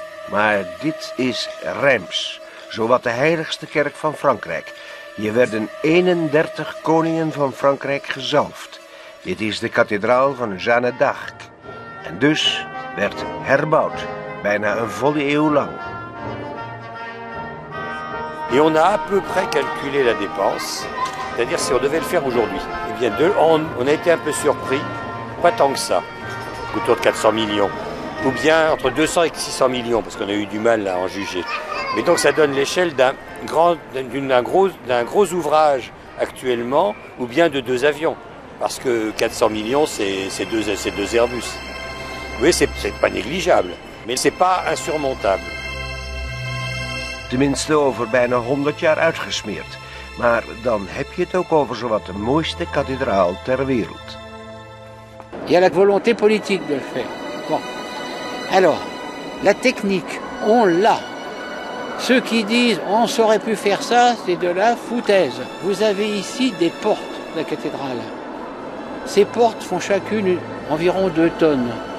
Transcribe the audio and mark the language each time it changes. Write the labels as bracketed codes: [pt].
[nl] Maar dit is Reims, zowat de heiligste kerk van Frankrijk. Hier werden 31 koningen van Frankrijk gezalfd. Dit is de kathedraal van Jeanne d'Arc. En dus werd herbouwd, bijna een volle eeuw lang. [fr] Et on a à peu près calculé la dépense, c'est-à-dire si on devait le faire aujourd'hui. Eh bien, on a été un peu surpris, pas tant que ça, autour de 400 millions, ou bien entre 200 et 600 millions, parce qu'on a eu du mal à en juger. Mais donc ça donne l'échelle d'un gros ouvrage actuellement, ou bien de deux avions, parce que 400 millions, c'est deux Airbus. Oui, c'est pas négligeable, mais c'est pas insurmontable. [nl] Tenminste over bijna 100 jaar uitgesmeerd. Maar dan heb je het ook over zowat de mooiste kathedraal ter wereld. [fr] Il y a la volonté politique de le faire. Bon. Alors, la technique, on l'a. Ceux qui disent on saurait plus faire ça, c'est de la foutaise. Vous avez ici des portes de la cathédrale. Ces portes font chacune environ 2 tonnes.